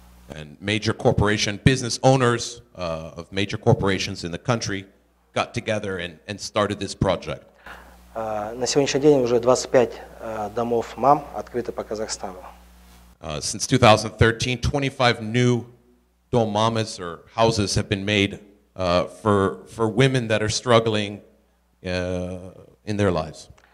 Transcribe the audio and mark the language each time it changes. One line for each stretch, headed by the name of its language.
English: And major corporation business owners of major corporations in the country got together and started this project.
Russian: На сегодняшний день уже 25 домов мам открыты по Казахстану.
English: Since 2013, 25 new dom mamas or houses have been made for women that are struggling in their lives.